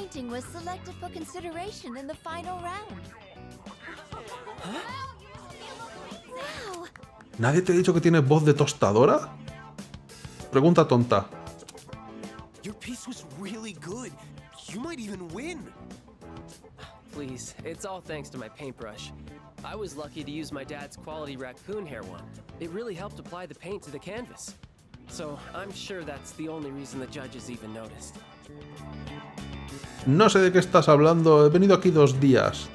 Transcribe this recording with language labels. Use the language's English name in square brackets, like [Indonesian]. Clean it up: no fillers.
[English] Was selected for consideration in the final round. Huh? [Spanish] ¿Nadie te ha dicho que tienes voz de tostadora? Pregunta tonta. [English] Your piece was really good. You might even win. Please, it's all thanks to my paintbrush. I was lucky to use my dad's quality raccoon hair one. It really helped apply the paint to the canvas. So, I'm sure that's the only reason the judges even noticed. [Spanish] No sé de qué estás hablando, he venido aquí dos días.